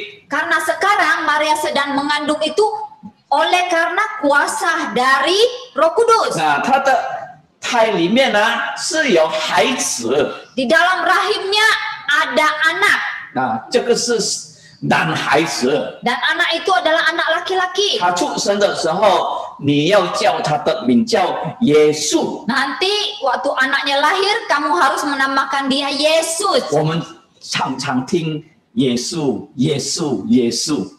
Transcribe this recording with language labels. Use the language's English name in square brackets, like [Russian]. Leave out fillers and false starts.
[Indonesian] Karena sekarang Maria sedang mengandung itu oleh karena kuasa dari Roh Kudus. [Chinese] Nah, 胎里面呢是有孩子, [Indonesian] di dalam rahimnya ada anak. [Chinese] Nah, 这个是男孩子, [Indonesian] dan anak itu adalah anak laki-laki. [Chinese] 他出生的时候，你要叫他的名叫耶稣。 [Indonesian] Nanti waktu anaknya lahir, kamu harus menamakan dia Yesus. [Chinese] 我们常常听耶稣，耶稣，耶稣。